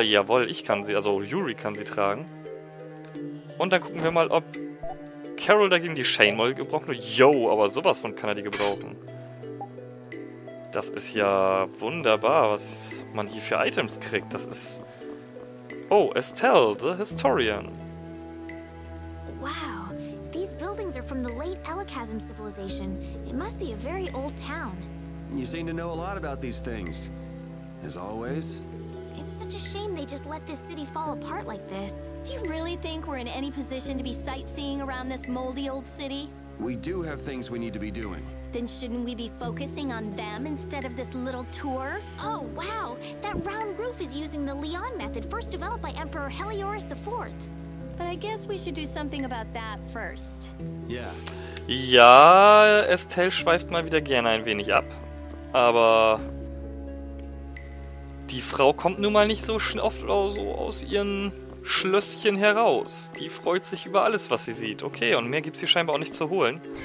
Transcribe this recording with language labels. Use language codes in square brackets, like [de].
[de] Jawohl, ich kann sie. Also Yuri kann sie tragen. Und dann gucken wir mal, ob Carol dagegen die Shane Mold gebrauchen. Yo, aber sowas von kann er die gebrauchen. Das ist ja wunderbar, was man hier für Items kriegt. Das ist... [en] Oh, Estelle, the Historian. Wow, these buildings are from the late Elikazm civilization. It must be a very old town. You seem to know a lot about these things. As always. It's such a shame they just let this city fall apart like this. Do you really think we're in any position to be sightseeing around this moldy old city? We do have things we need to be doing. Then shouldn't we be focusing on them instead of this little tour? Oh, wow! That round roof is using the Leon method first developed by Emperor Heliorus IV. But I guess we should do something about that first. Yeah. [de] Ja, Estelle schweift mal wieder gerne ein wenig ab. Aber die Frau kommt nun mal nicht so oft so aus ihren Schlösschen heraus. Die freut sich über alles, was sie sieht. Okay, und mehr gibt's hier scheinbar auch nicht zu holen.